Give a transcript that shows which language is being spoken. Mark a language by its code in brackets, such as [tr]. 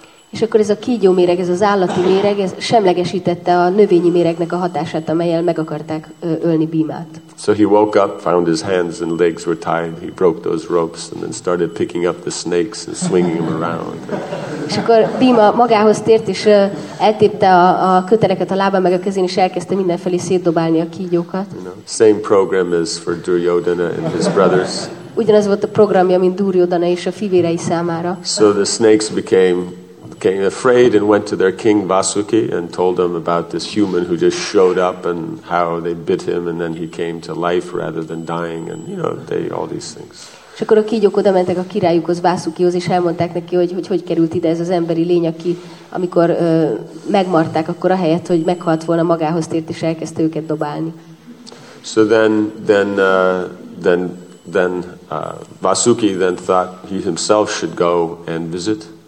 [hu] És akkor ez a kígyó méreg, ez az állati méreg, ez semlegesítette a növényi méregnek a hatását, amelyel meg akarták ölni Bhimát. [en] So he woke up, found his hands and legs were tied, he broke those ropes and then started picking up the snakes and swinging them around. [hu] És akkor Bhima magához tért, és eltépte a köteleket a lábán meg a kezén, és elkezdte mindenfelé szétdobálni a kígyókat. [en] You know, same program as for Duryodhana and his brothers. [hu] Ugyanaz volt a programja, mint Duryodhana és a fivérei számára. [en] So the snakes became afraid and went to their king Vasuki and told him about this human who just showed up and how they bit him and then he came to life rather than dying and you know they all these things. [hu] És akkor a kígyók oda mentek a királyukhoz Vasukihoz és elmondták neki, hogy került ide ez az emberi lény, aki amikor megmarták, akkor a helyett, hogy meghalt volna, magához tért és elkezdte őket dobálni. [en] So then Vasuki then thought he himself should go and visit.